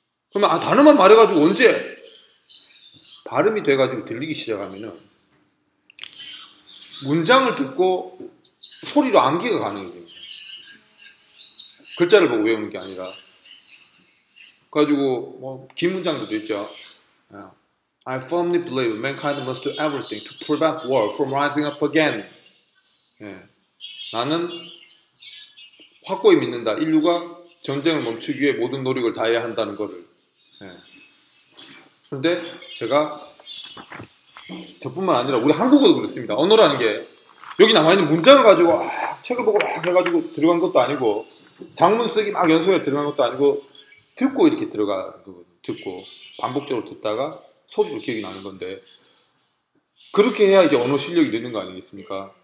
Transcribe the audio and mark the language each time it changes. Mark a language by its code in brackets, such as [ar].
[ko] 그러면 아, 단어만 말해가지고 언제 발음이 돼가지고 들리기 시작하면은 문장을 듣고 소리로 암기가 가능해집니다. 글자를 보고 외우는 게 아니라 그래가지고 뭐 긴 문장도 있죠. [en] I firmly believe mankind must do everything to prevent war from rising up again. [ko] 예, 나는 확고히 믿는다. 인류가 전쟁을 멈추기 위해 모든 노력을 다해야 한다는 거를. 그런데 제가 저뿐만 아니라 우리 한국어도 그렇습니다. 언어라는 게 여기 남아있는 문장을 가지고 책을 보고 막 해가지고 들어간 것도 아니고 장문 쓰기 막 연속해 들어간 것도 아니고 듣고 이렇게 들어간 거 듣고 반복적으로 듣다가 소리도 기억이 나는 건데 그렇게 해야 이제 언어 실력이 느는 거 아니겠습니까?